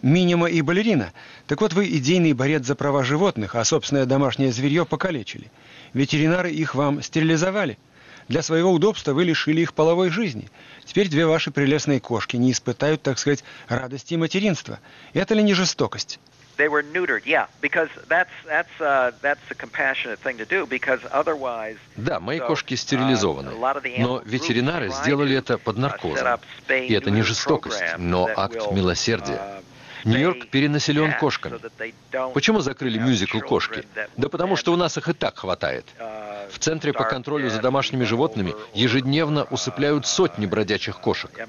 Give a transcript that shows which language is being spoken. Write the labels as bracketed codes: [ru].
[ru] Минима и Балерина? Так вот, вы идейный борец за права животных, а собственное домашнее зверье покалечили. Ветеринары их вам стерилизовали. Для своего удобства вы лишили их половой жизни. Теперь две ваши прелестные кошки не испытают, так сказать, радости материнства. Это ли не жестокость? [en] They were neutered, yeah, because that's a compassionate thing to do, because otherwise. [ru] Да, мои кошки стерилизованы, но ветеринары сделали это под наркозом. И это не жестокость, но акт милосердия. Нью-Йорк перенаселен кошками. Почему закрыли мюзикл кошки? Да потому что у нас их и так хватает. В центре по контролю за домашними животными ежедневно усыпляют сотни бродячих кошек.